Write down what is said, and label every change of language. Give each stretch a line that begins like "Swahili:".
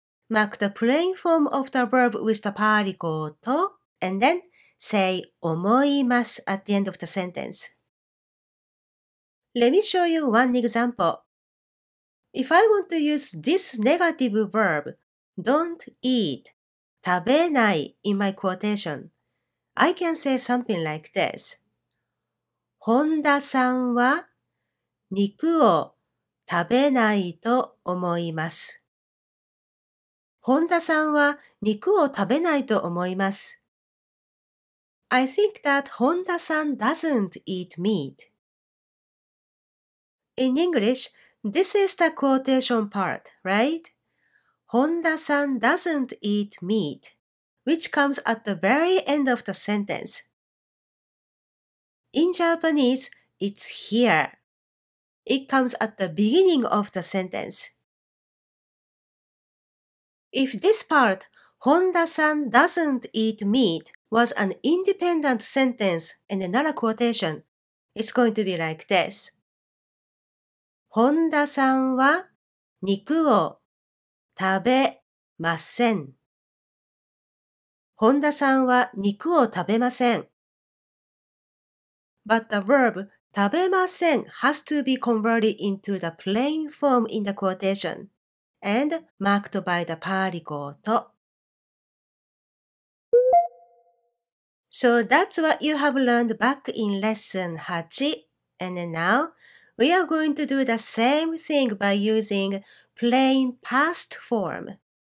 English: Mark the plain form of the verb with the particle to, and then say 思います at the end of the sentence. Let me show you one example. If I want to use this negative verb, don't eat, 食べない in my quotation, I can say something like this.
Japanese: 本田さんは肉を食べないと思います。本田さんは肉を食べないと思います。
English: I think that 本田さん doesn't eat meat. In English, this is the quotation part, right? 本田さん doesn't eat meat, which comes at the very end of the sentence. In Japanese, it's here. It comes at the beginning of the sentence. If this part, 本田さん doesn't eat meat, was an independent sentence and not a quotation, it's going to be like this.
Japanese: 本田さんは肉を食べません。本田さんは肉を食べません。
English: But the verb 食べません has to be converted into the plain form in the quotation and marked by the particle と。 So that's what you have learned back in lesson 8 and now, we are going to do the same thing by using plain past form.